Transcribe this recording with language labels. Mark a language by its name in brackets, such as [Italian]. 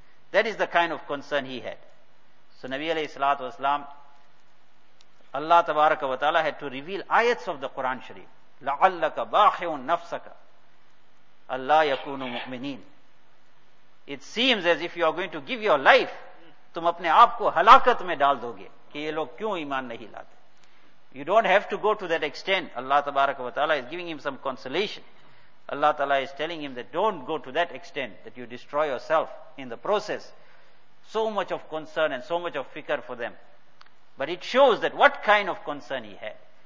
[English] That is the kind of concern he had. So Nabi alayhi salatu wasalam, Allah tabaraka wa ta'ala had to reveal ayats of the Quran Sharif. [Arabic] لَعَلَّكَ بَاخِعٌ نَفْسَكَ أَلَّا يَكُونُ مُؤْمِنِينَ. [English] It seems as if you are going to give your life. [Urdu] تم اپنے آپ کو ہلاکت میں ڈال دوگے کہ یہ لوگ کیوں ایمان نہیں لاتے. [English] You don't have to go to that extent. Allah tabaraka wa ta'ala is giving him some consolation. Allah ta'ala is telling him that don't go to that extent, that you destroy yourself in the process. So much of concern and so much of fikr for them. But it shows that what kind of concern he had.